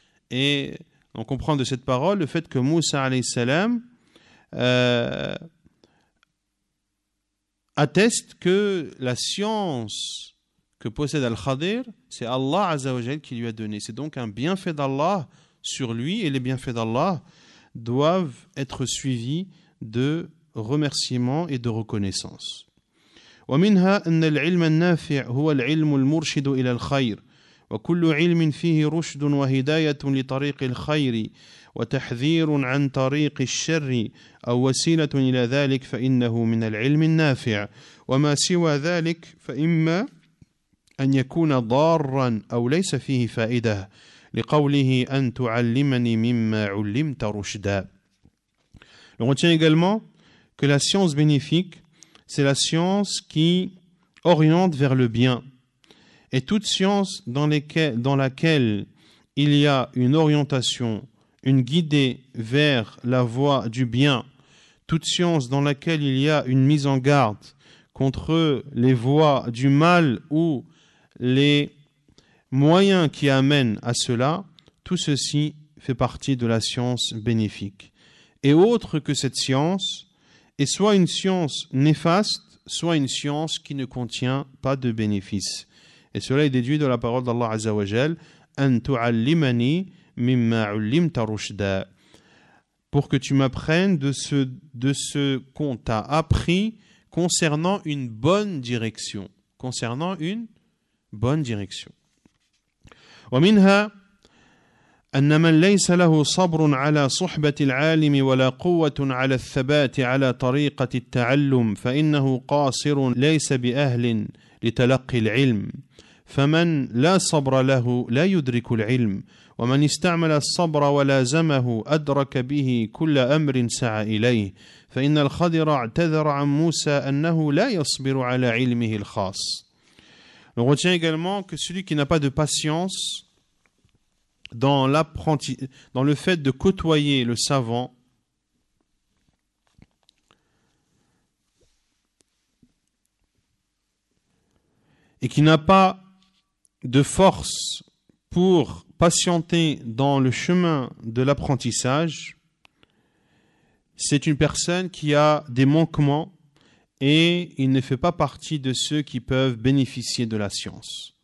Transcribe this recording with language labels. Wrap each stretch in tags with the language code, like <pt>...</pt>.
<fr>Et on comprend de cette parole le fait que Moussa alayhi salam atteste que la science que possède Al-Khadir, c'est Allah Azza wa Jal qui lui a donné. C'est donc un bienfait d'Allah sur lui, et les bienfaits d'Allah doivent être suivis de remerciements et de reconnaissance.</fr> <ar>ومنها أن العلم النافع هو العلم المرشد إلى الخير وكل علم فيه رشد وهداية لطريق الخير وتحذير عن طريق الشر أو وسيلة إلى ذلك فإنه من العلم النافع وما سوى ذلك فإما أن يكون ضارا أو ليس فيه فائدة لقوله أن تعلمني مما علمت رشدا.</ar> <fr>On retient également que la science bénéfique, c'est la science qui oriente vers le bien. Et toute science dans laquelle il y a une orientation, une guidée vers la voie du bien, toute science dans laquelle il y a une mise en garde contre les voies du mal ou les moyens qui amènent à cela, tout ceci fait partie de la science bénéfique. Et autre que cette science, est soit une science néfaste, soit une science qui ne contient pas de bénéfices. Et cela est déduit de la parole d'Allah Azza wa Jal, «</fr> <ar>An tu'allimani mimma 'allimta rushda</ar> <fr>» pour que tu m'apprennes de ce qu'on t'a appris concernant une bonne direction. Concernant une bonne direction.</fr> <ar>ومنها أن من ليس له صبر على صحبة العالم ولا قوة على الثبات على طريقة التعلم فإنه قاصر ليس بأهل لتلقي العلم فمن لا صبر له لا يدرك العلم ومن استعمل الصبر ولازمه أدرك به كل أمر سعى إليه فإن الخضر اعتذر عن موسى أنه لا يصبر على علمه الخاص.</ar> <fr>On retient également que celui qui n'a pas de patience dans le fait de côtoyer le savant, et qui n'a pas de force pour patienter dans le chemin de l'apprentissage, c'est une personne qui a des manquements et il ne fait pas partie de ceux qui peuvent bénéficier de la science.</fr>